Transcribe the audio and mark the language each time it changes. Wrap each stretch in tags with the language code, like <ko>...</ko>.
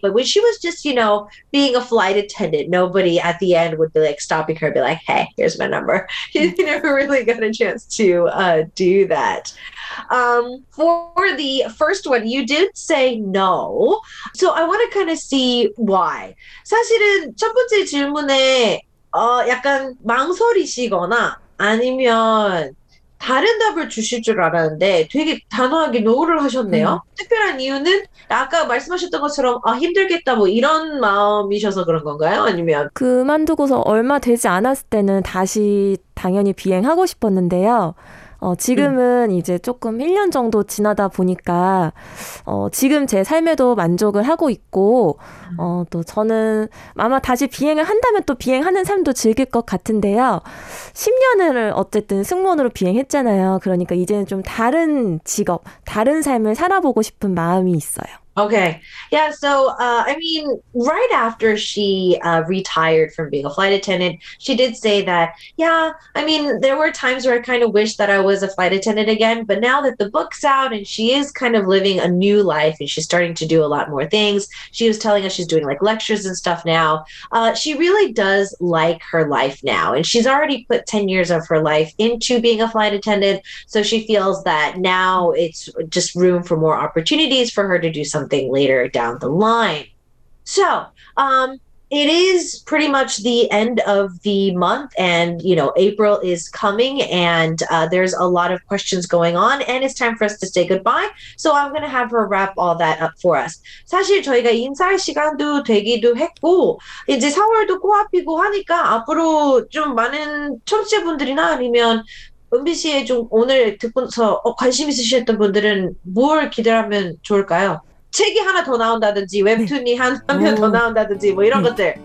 <en>But when she was just, you know, being a flight attendant, nobody at the end would be like stopping her and be like, "Hey, here's my number." You never really got a chance to do that. For the first one, you did say no. So I want to kind of see why.</en> <ko>사실은 첫 번째 질문에 약간 망설이시거나 아니면 다른 답을 주실 줄 알았는데 되게 단호하게 노를 하셨네요. 특별한 이유는 아까 말씀하셨던 것처럼 힘들겠다 뭐 이런 마음이셔서 그런 건가요? 아니면 그만두고서 얼마 되지 않았을 때는 다시 당연히 비행하고 싶었는데요. 지금은 이제 조금 1년 정도 지나다 보니까, 지금 제 삶에도 만족을 하고 있고, 또 저는 아마 다시 비행을 한다면 또 비행하는 삶도 즐길 것 같은데요. 10년을 어쨌든 승무원으로 비행했잖아요. 그러니까 이제는 좀 다른 직업, 다른 삶을 살아보고 싶은 마음이 있어요.</ko> <en>Okay. Yeah. So, I mean, right after she retired from being a flight attendant, she did say that, yeah, I mean, there were times where I kind of wish that I was a flight attendant again, but now that the book's out and she is kind of living a new life and she's starting to do a lot more things, she was telling us she's doing like lectures and stuff now. She really does like her life now, and she's already put 10 years of her life into being a flight attendant, so she feels that now it's just room for more opportunities for her to do something later down the line. So, it is pretty much the end of the month, and you know, April is coming, and there's a lot of questions going on, and it's time for us to say goodbye. So I'm gonna have her wrap all that up for us.</en> <ko>사실 저희가 인사할 시간도 되기도 했고 이제 4월도 코앞이고 하니까 앞으로 좀 많은 청취자분들이나 아니면 은비 씨의 좀 오늘 듣고서 관심 있으셨던 분들은 뭘 기대하면 좋을까요? 책이 하나 더 나온다든지 웹툰이 한편더 나온다든지 뭐 이런 것들.</ko>